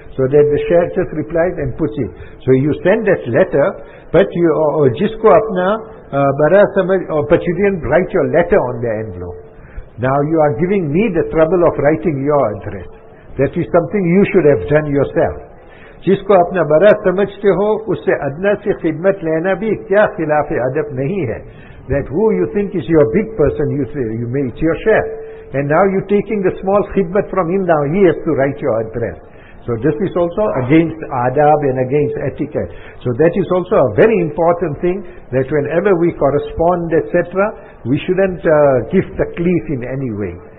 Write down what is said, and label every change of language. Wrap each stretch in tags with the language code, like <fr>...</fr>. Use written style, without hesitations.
<en>So that the chef just replies and puts it. So you send that letter, but you</en> <ur>jisko apna bara samaj,</ur> <en>but you didn't write your letter on the envelope. Now you are giving me the trouble of writing your address. That is something you should have done yourself.</en> <ur>جس کو اپنا برا سمجھتے ہو اس سے ادنا سے خدمت لینا بھی کیا خلاف ادب نہیں ہے.</ur> <en>That who you think is your big person, you say, you may, it's your chef. And now you're taking the small خدمت from him, now he has to write your address. So this is also against adab and against etiquette. So that is also a very important thing that whenever we correspond, etc., we shouldn't give takleef in any way.</en>